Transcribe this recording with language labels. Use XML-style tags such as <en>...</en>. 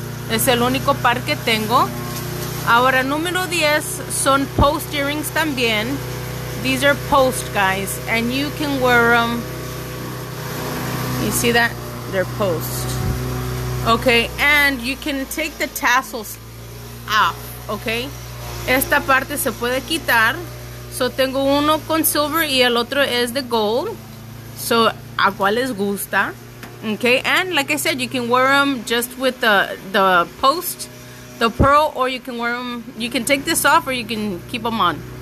<es>Es el único par que tengo. Ahora, número 10 son</es> <en>post earrings</en> <es>también.</es> <en>These are post, guys. And you can wear them. You see that? They're post. Okay, and you can take the tassels off, okay?</en> <es>Esta parte se puede quitar. So, tengo uno con silver y el otro es de gold. So, ¿a cuál les gusta?</es> <en>Okay, and like I said, you can wear them just with the post. The pearl, or you can wear them, you can take this off or you can keep them on.</en>